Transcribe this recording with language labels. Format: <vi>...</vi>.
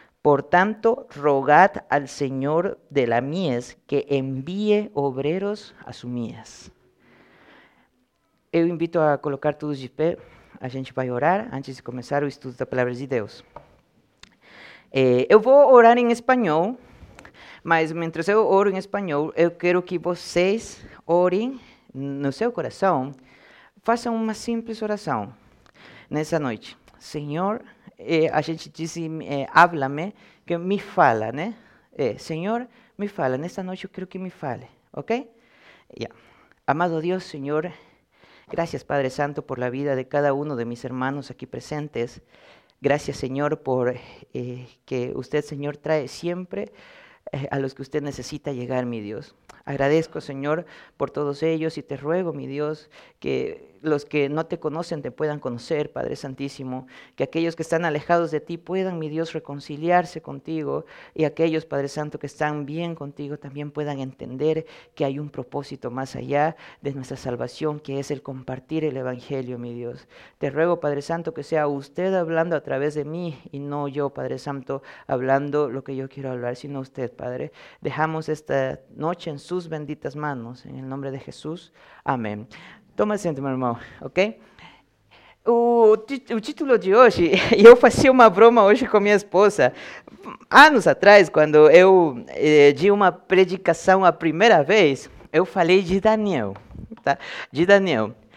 <es>Por tanto, rogad al Señor de la mies que envíe obreros a su mies.</es> <pt>Eu invito a colocar todos de pé. A gente vai orar antes de começar o estudo da Palavra de Deus. Eu vou orar em espanhol, mas, mientras eu oro em espanhol, eu quero que vocês orem no seu coração. Façam uma simples oração nessa noite. Senhor, a gente disse, háblame, que me fala, né? Senhor, me fala. Nessa noite eu quero que me fale, ok?</pt> <en>Yeah.</en> <pt>Amado Deus, Senhor,</pt> <es>gracias, Padre Santo, por la vida de cada uno de mis hermanos aquí presentes. Gracias, Señor, por que usted, Señor, trae siempre a los que usted necesita llegar, mi Dios. Agradezco, Señor, por todos ellos y te ruego, mi Dios, que los que no te conocen te puedan conocer, Padre Santísimo, que aquellos que están alejados de ti puedan, mi Dios, reconciliarse contigo y aquellos, Padre Santo, que están bien contigo también puedan entender que hay un propósito más allá de nuestra salvación, que es el compartir el Evangelio, mi Dios. Te ruego, Padre Santo, que sea usted hablando a través de mí y no yo, Padre Santo, hablando lo que yo quiero hablar, sino usted, Padre. Dejamos esta noche en sus benditas manos, en el nombre de Jesús. Amén.</es> <pt>Toma asiento, meu irmão, ok? O título de hoje, e eu fazia uma broma hoje com minha esposa, anos atrás, quando eu di uma predicação a primeira vez, eu falei de Daniel, tá? De Daniel.</pt>